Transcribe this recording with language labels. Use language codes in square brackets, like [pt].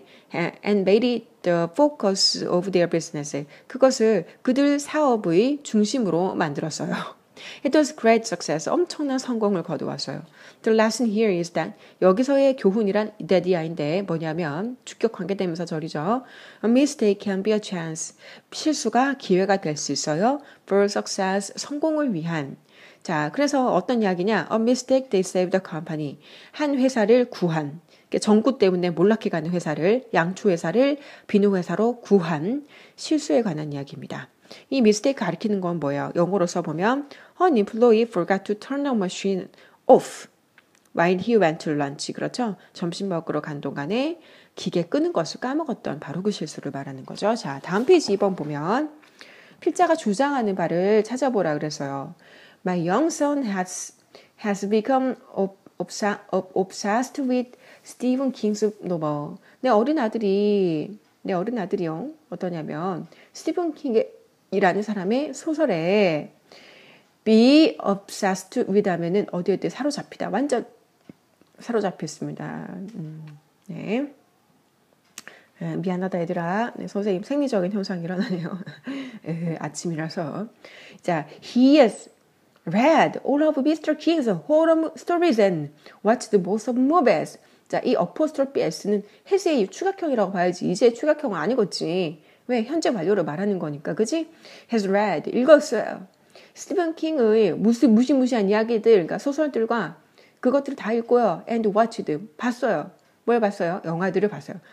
[en] And made it the focus of their business. [ko] 그것을 그들 사업의 중심으로 만들었어요. [en] It was great success. [ko] 엄청난 성공을 거두었어요. [en] The lesson here is that [ko] 여기서의 교훈이란 that이야인데 뭐냐면 주격 관계대명사 절이죠. [en] A mistake can be a chance. [ko] 실수가 기회가 될수 있어요. [en] For success, [ko] 성공을 위한. 자, 그래서 어떤 이야기냐? [en] A mistake they saved the company. [ko] 한 회사를 구한. 전구 때문에 몰락해가는 회사를, 양초 회사를 비누 회사로 구한 실수에 관한 이야기입니다. 이 미스테이크 가리키는 건 뭐예요? 영어로 써보면 [en] An employee forgot to turn the machine off while he went to lunch. [ko] 그렇죠? 점심 먹으러 간 동안에 기계 끄는 것을 까먹었던 바로 그 실수를 말하는 거죠. 자, 다음 페이지 2번 보면 필자가 주장하는 바를 찾아보라 그랬어요. [en] My young son has become obsessed with Stephen King's novel. [ko] 내 어린 아들이요. 어떠냐면 스티븐 킹의 이라는 사람의 소설에 [en] be obsessed with [ko] 하면은 어디에 사로잡히다. 완전 사로잡혔습니다. 네. 미안하다, 얘들아. 네, 선생님, 생리적인 현상이 일어나네요. 아침이라서. [en] 자, he has read all of Mr. King's horror stories and watched most of movies. [ko] 자, 이 apostrophe s는 has의 추가형이라고 봐야지. 이제 추가형은 아니겠지. 왜? 현재 완료를 말하는 거니까, 그지? [en] Has read, [ko] 읽었어요. 스티븐 킹의 무시무시한 이야기들, 그러니까 소설들과 그것들을 다 읽고요. [en] And watched, [ko] 봤어요. 뭘 봤어요? 영화들을 봤어요.